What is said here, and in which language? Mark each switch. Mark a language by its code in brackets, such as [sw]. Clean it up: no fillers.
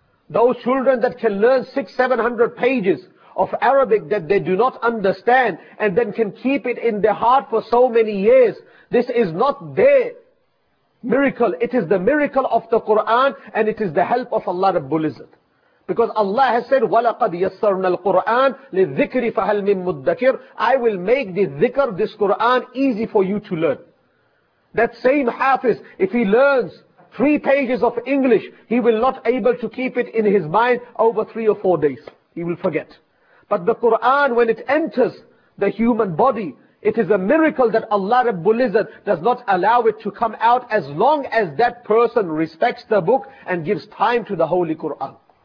[en] Those children that can learn 600-700 pages of Arabic that they do not understand and then can keep it in their heart for so many years, this is not their miracle. It is the miracle of the Quran and it is the help of Allah Rabbul Izzat. Because Allah has said, [ar] وَلَقَدْ يَسَّرْنَا الْقُرْآنَ لِلذِّكْرِ فَهَلْ مِن مُدَّكِرٍ. [en] I will make the dhikr, this Quran, easy for you to learn. That same Hafiz, if he learns 3 pages of English, he will not be able to keep it in his mind over 3 or 4 days. He will forget. But the Quran, when it enters the human body, it is a miracle that Allah Rabbul Izzat does not allow it to come out as long as that person respects the book and gives time to the Holy Quran.